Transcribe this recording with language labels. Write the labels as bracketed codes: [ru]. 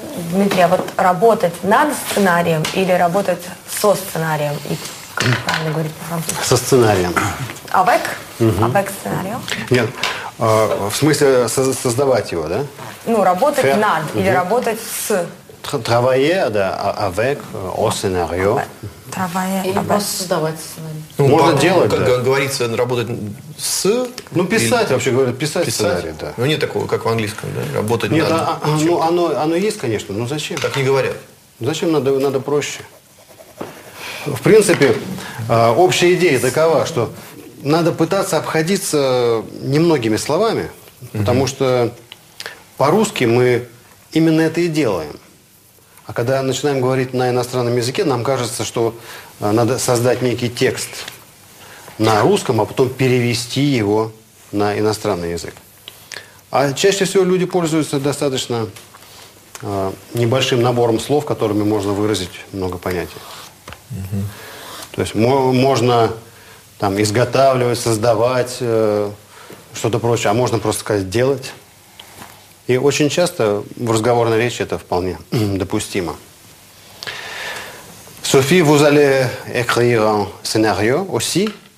[ru] Дмитрий, а вот работать над сценарием или работать со сценарием? И как правильно говорить по-французски? Со сценарием. [fr] Avec? Avec сценарио? [ru] Нет, в смысле создавать его, да? Ну, работать Faire. Над или работать с. [fr] Travailler, да, avec, au scénario. Travailler. [ru] И просто создавать сценарий. Ну, можно делать, как да. Как говорится, работать с... Ну, писать, или... вообще говорят, писать сценарий, да. Ну, нет такого, как в английском, да, работать нет, надо. Нет, ну, оно есть, конечно, но зачем? Так не говорят. Зачем? Надо проще. В принципе, общая идея такова, что надо пытаться обходиться немногими словами, потому что по-русски мы именно это и делаем. А когда начинаем говорить на иностранном языке, нам кажется, что надо создать некий текст на русском, а потом перевести его на иностранный язык. А чаще всего люди пользуются достаточно небольшим набором слов, которыми можно выразить много понятий. То есть можно там, изготавливать, создавать, что-то прочее, а можно просто сказать «делать». И очень часто в разговорной речи это вполне допустимо. [fr] Софи, vous allez écrire un scénario aussi?